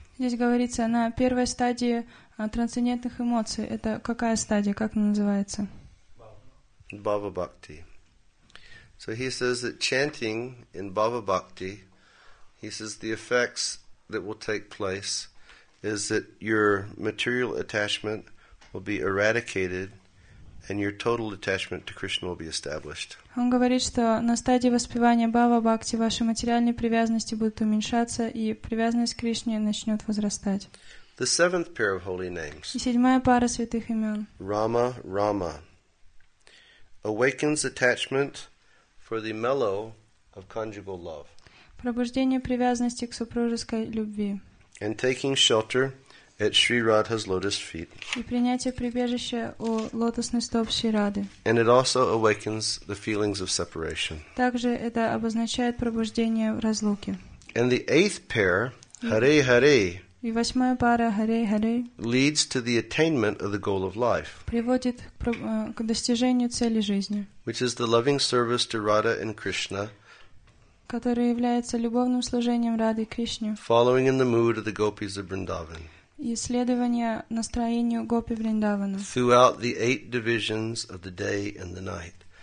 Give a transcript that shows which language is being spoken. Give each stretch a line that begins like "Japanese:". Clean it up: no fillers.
Russian: Здесь говорится на первой стадии трансцендентных эмоций. Это какая стадия? Как она называется?
Sanskrit: Bhava Bhakti.
English: So he says that chanting in Bhava Bhakti, he says the effects that will take place is that your material attachment will be eradicated and your total attachment to Krishna will be established.
Russian: Он говорит, что на стадии воспевания Бхава Бхакти ваши материальные привязанности будут уменьшаться и привязанность к Кришне начнет возрастать.
English: The seventh pair of holy names.
Russian: И седьмая пара святых имен.
English: Rama Rama awakens attachment for the mellow of conjugal love.
Russian: Пробуждение привязанности к супружеской любви.
English: And taking shelter at Sri Radha's lotus feet.
Russian: И принятие прибежища у лотосных стоп Шри Рады.
English: And it also awakens the feelings of separation.
Russian: Также это обозначает пробуждение разлуки.
English: And the eighth pair, Hare Hare,
Russian: и восьмая пара Hare Hare,
English: leads to the attainment of the goal of life.
Russian: Приводит к достижению цели жизни.
English: Which is the loving service to Radha and Krishna.
Russian: Который является любовным служением Рады и Кришне.
English: Following in the mood of the gopis of Vrindavan.
Russian: Исследование настроению гопи Вриндавана.
English: Throughout the eight divisions of the day and the night.